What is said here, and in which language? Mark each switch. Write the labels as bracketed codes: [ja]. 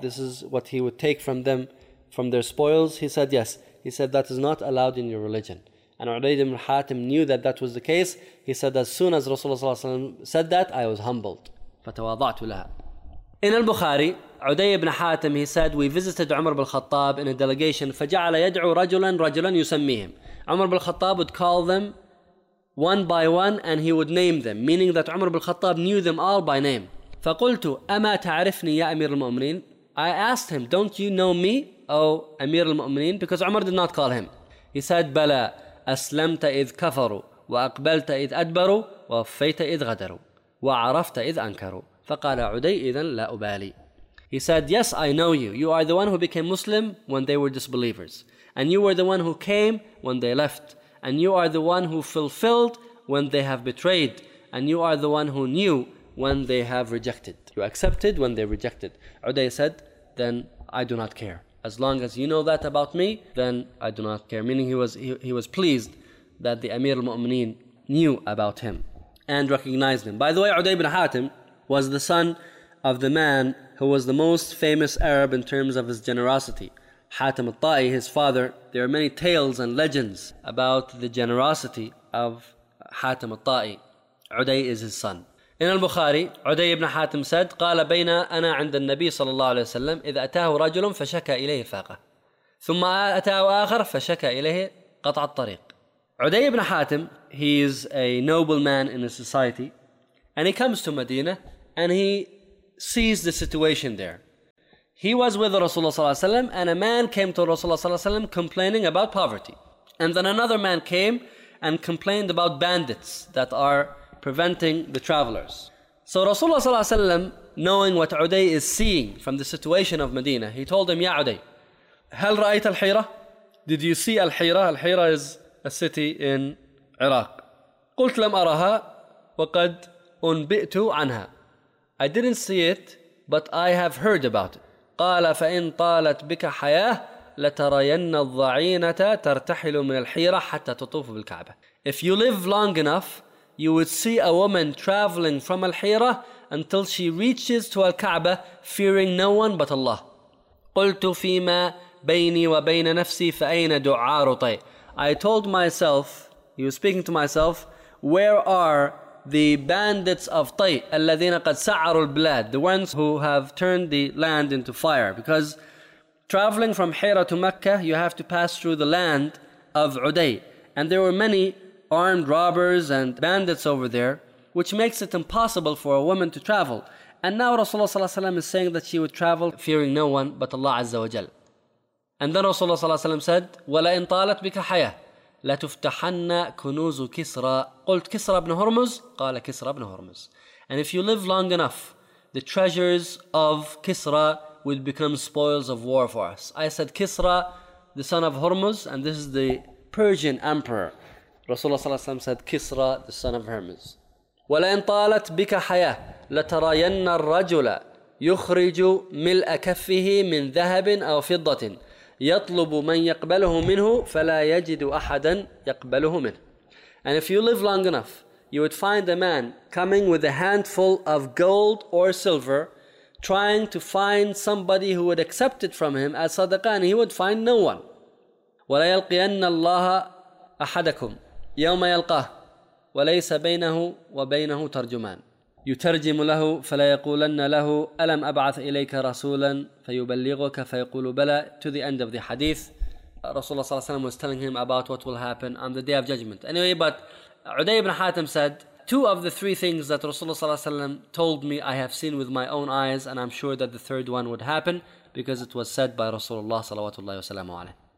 [en] This is what he would take from them, from their spoils. He said, yes. He said, that is not allowed in your religion. And Uraid ibn Hatim knew that that was the case. He said, as soon as Rasulullah ﷺ said that, I was humbled. [ar] فتواضعت لها. [en] In al-Bukhari, Uday ibn Hatim, he said, we visited Umar ibn al-Khattab in a delegation. [ar] فجعل يدعو رجلا رجلا يسميهم. [en] Umar ibn al-Khattab would call them one by one and he would name them, meaning that Umar ibn al-Khattab knew them all by name. [ar] فقلت أما تعرفني يا أمير المؤمنين؟ [en] I asked him, don't you know me, oh Amir al-Mu'mineen? Because Umar did not call him. He said, [ar] بلى أسلمت إذ كفروا وأقبلت إذ أدبروا ووفيت إذ غدروا وعرفت إذ أنكروا. فقال عدي إذن لا أبالي. [en] He said, yes, I know you. You are the one who became Muslim when they were disbelievers. And you were the one who came when they left. And you are the one who fulfilled when they have betrayed. And you are the one who knew when they have rejected. You accepted when they rejected. Uday said, then I do not care. As long as you know that about me, then I do not care. Meaning he was pleased that the Amir al-Mu'mineen knew about him and recognized him. By the way, Uday ibn Hatim was the son of the man who was the most famous Arab in terms of his generosity. Hatim al-Ta'i, his father, there are many tales and legends about the generosity of Hatim al-Ta'i. Uday is his son. In al-Bukhari, Uday ibn Hatim said, [ar] قال بين أنا عند النبي صلى الله عليه وسلم إذا أتاه رجل فشكى إليه فاقة ثم أتاه آخر فشكى إليه قطع الطريق. [en] Uday ibn Hatim, he is a noble man in a society, and he comes to Medina and he sees the situation there. He was with Rasulullah صلى الله عليه وسلم, and a man came to Rasulullah صلى الله عليه وسلم complaining about poverty. And then another man came and complained about bandits that are preventing the travelers. So Rasulullah صلى الله عليه وسلم, knowing what Uday is seeing from the situation of Medina, he told him, Ya Uday, [ar] هل رأيت الحيرة? [en] Did you see الحيرة? الحيرة is a city in Iraq. [ar] قلت لم أرها وقد أنبئت عنها. [en] I didn't see it, but I have heard about it. [ar] قال فإن طالت بك حياة لترين الضعينة ترتحل من الحيرة حتى تطوف بالكعبة. [en] If you live long enough, you would see a woman traveling from Al-Hira until she reaches to Al-Kaaba, fearing no one but Allah. [ar] قُلْتُ فِيمَا بَيْنِي وَبَيْنَ نَفْسِي فَأَيْنَ دُعَارُ طَيْءٍ. [en] I told myself, he was speaking to myself, where are the bandits of Tay, [ar] الَّذِينَ قَدْ سَعَرُوا الْبِلَادِ, [en] the ones who have turned the land into fire? Because traveling from Hira to Mecca, you have to pass through the land of Uday. And there were many armed robbers and bandits over there, which makes it impossible for a woman to travel. And now Rasulullah ﷺ is saying that she would travel fearing no one but Allah Azza wa Jal. And then Rasulullah ﷺ said, [ar] وَلَئِنْ طَالَتْ بِكَ حَيَةٌ لَتُفْتَحَنَّ كُنُوزُ كِسْرَى. قُلْتْ كِسْرَى بْنُ هُرْمُزْ. قَالَ كِسْرَى بْنُ هُرْمُزْ. [en] And if you live long enough, the treasures of Kisra would become spoils of war for us. I said, Kisra, the son of Hormuz, and this is the Persian emperor. Rasulullah ﷺ said, Kisra, the son of Hermes. [ar] وَلَئِنْ طَالَتْ بِكَ حَيَةٌ لَتَرَيَنَّ الرَّجُلَ يُخْرِجُ مِلْأَ كَفِّهِ مِنْ ذَهَبٍ أَوْ فِضَّةٍ يَطْلُبُ مَنْ يَقْبَلُهُ مِنْهُ فَلَا يَجِدُ أَحَدًا يَقْبَلُهُ مِنْهُ. [en] And if you live long enough, you would find a man coming with a handful of gold or silver, trying to find somebody who would accept it from him as sadaqah, and he would find no one. [ar] وَلَيَلْقِيَنَّ اللَّهَ أحدكم يوم يلقاه وليس بينه وبينه ترجمان يترجم له فلا يقولن له ألم أبعث إليك رسولا فيبلغك فيقول بلى. [en] To the end of the hadith, Rasulullah صلى الله عليه وسلم was telling him about what will happen on the day of judgment. Anyway, but Uday ibn Hatim said, two of the three things that Rasulullah صلى الله عليه وسلم told me I have seen with my own eyes, and I'm sure that the third one would happen because it was said by Rasulullah صلى الله عليه وسلم.